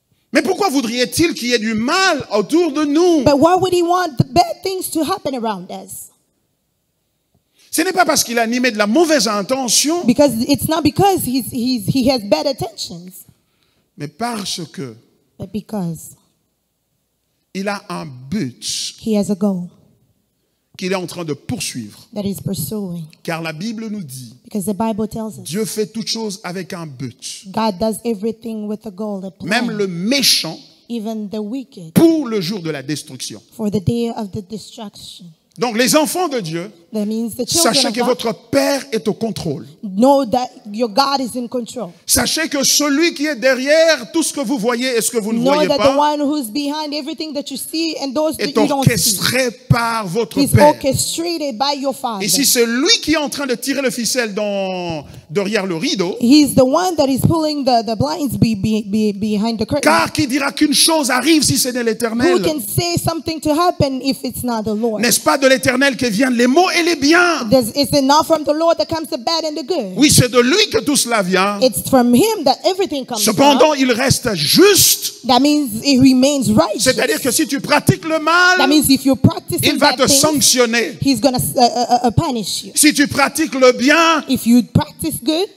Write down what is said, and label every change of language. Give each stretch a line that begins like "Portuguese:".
French: Mais pourquoi voudrait-il qu'il y ait du mal autour de nous?
English: But why would he want the bad things to happen around us?
French: Ce n'est pas parce qu'il est animé de la mauvaise intention.
English: Because it's not because he has bad intentions.
French: Mais parce que.
English: But because.
French: Il a un but.
English: He has a goal.
French: Qu'il est en train de poursuivre.
English: That he's pursuing.
French: Car la Bible nous dit.
English: Because the Bible tells us.
French: Dieu fait toutes choses avec un but.
English: God does everything with a goal, a plan.
French: Même le méchant.
English: Even the wicked.
French: Pour le jour de la destruction.
English: For the day of the destruction.
French: Donc les enfants de Dieu.
English: That means the children.
French: Sachez que
English: God,
French: votre Père est au contrôle.
English: Know that your God is in control.
French: Sachez que celui qui est derrière tout ce que vous voyez et ce que vous ne voyez pas.
English: Know that the one who's behind everything that you see and those that you don't see.
French: Est orchestré par votre
English: he's
French: Père.
English: He's orchestrated by your Father.
French: Et si c'est lui qui est en train de tirer le ficelle derrière le rideau.
English: He's the one that is pulling the blinds behind the curtain.
French: Car qui dira qu'une chose arrive si ce n'est l'Éternel?
English: Who can say something to happen if it's not the Lord?
French: N'est-ce pas de l'Éternel que viennent les mots? Et les biens.
English: Is it not from the Lord that comes the bad and the good?
French: Oui, c'est de lui que tout cela vient.
English: It's from him that everything comes.
French: Cependant,
English: from.
French: Il reste juste.
English: That means he remains righteous.
French: C'est-à-dire que si tu pratiques le mal,
English: that means if you practice
French: il va te sanctionner.
English: He's gonna punish you.
French: Si tu pratiques le bien,
English: if you practice good,